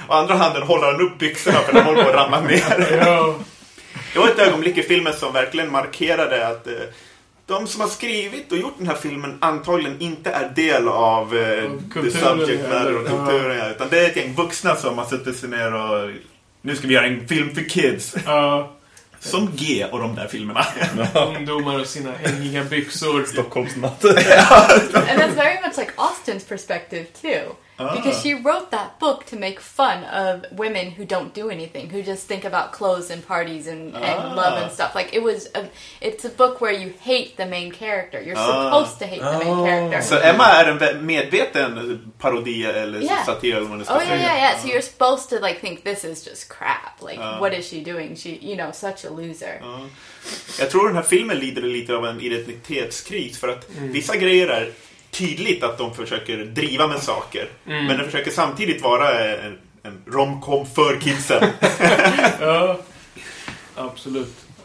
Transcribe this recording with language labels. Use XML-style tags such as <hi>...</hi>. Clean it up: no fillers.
<sv>Och andra handen håller han upp byxorna för de håller på att ramla ner. Det var ett ögonblick i filmen som verkligen markerade att de som har skrivit och gjort den här filmen antagligen inte är del av</sv> <en>the subject matter</en> <sv>och kulturen. Ja. Utan det är ett gäng vuxna som har suttit sig ner och nu ska vi göra en film för kids. Som G och de där filmerna. Ungdomar och sina hängiga byxor. Stockholmsnatt.</sv> <en>And that's very much like Austin's perspective too. Because she wrote that book to make fun of women who don't do anything, who just think about clothes and parties and love and stuff. Like it was, it's a book where you hate the main character. You're supposed to hate the main character.</en> <sv>So Emma är en medveten parodi eller satir eller vad det ska säga. Yeah.</sv> <en>So you're supposed to like think this is just crap. Like what is she doing? She, you know, such a loser.</en> <sv>Jag tror den här filmen lider lite av en identitetskris för att vissa grejer är tydligt att de försöker driva med saker. Mm. Men de försöker samtidigt vara en romcom för kidsen. Ja, absolut.</sv>